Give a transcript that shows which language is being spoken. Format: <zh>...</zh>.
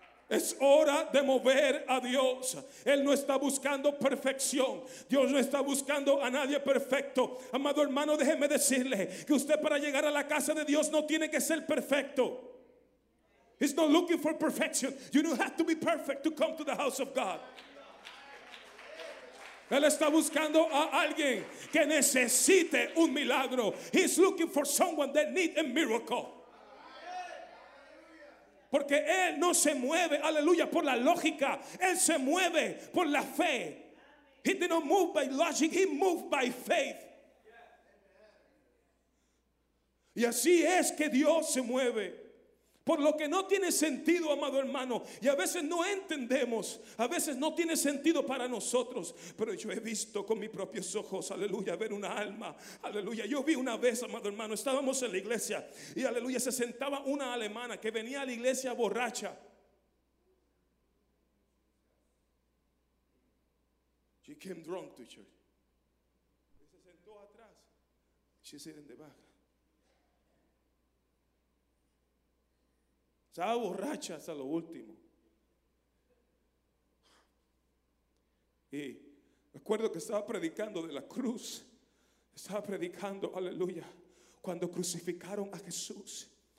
<es>Es hora de mover a Dios. Él no está buscando perfección. Dios no está buscando a nadie perfecto. Amado hermano, déjeme decirle que usted para llegar a la casa de Dios no tiene que ser perfecto.</es> <en>He's not looking for perfection. You don't have to be perfect to come to the house of God.</en> <es>Él está buscando a alguien que necesite un milagro.</es> <en>He's looking for someone that needs a miracle.</en> <es>Porque Él no se mueve, aleluya, por la lógica. Él se mueve por la fe.</es> <en>He did not move by logic. He moved by faith.</en> <es>Y así es que Dios se mueve. Por lo que no tiene sentido, amado hermano, y a veces no entendemos, a veces no tiene sentido para nosotros, pero yo he visto con mis propios ojos, aleluya, ver una alma, aleluya. Yo vi una vez, amado hermano, estábamos en la iglesia y aleluya, se sentaba una alemana que venía a la iglesia borracha.</es> <en>She came drunk to church.</en> <es>Se sentó atrás.</es> <en>She's sitting in the back.</en> <es>Estaba borracha hasta lo último. Y recuerdo que estaba predicando de la cruz. Estaba predicando, aleluya, cuando crucificaron a Jesús.</es>